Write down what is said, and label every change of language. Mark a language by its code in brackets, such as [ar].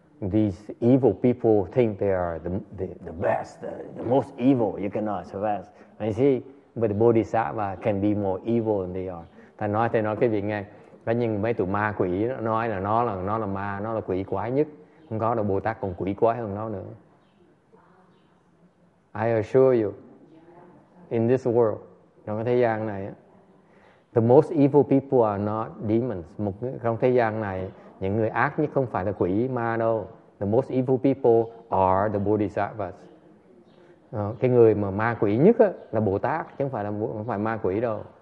[en] These evil people think they are the best, the most evil. You cannot survive. I see, but the bodhisattva can be more evil than they are. [vi] Thầy nói cái việc nghe. Vậy nhưng mấy tụi ma quỷ nói là nó là ma, nó là quỷ quái nhất. Không có đâu, Bồ Tát còn quỷ quái hơn nó nữa. [en] I assure you, in this world, [vi] trong cái thế gian này, [en] the most evil people are not demons. [vi] Một trong thế gian này. Những người ác nhất không phải là quỷ ma đâu. [en] The most evil people are the bodhisattvas. [vi] Cái người mà ma quỷ nhất á, là Bồ Tát, chứ không phải ma quỷ đâu.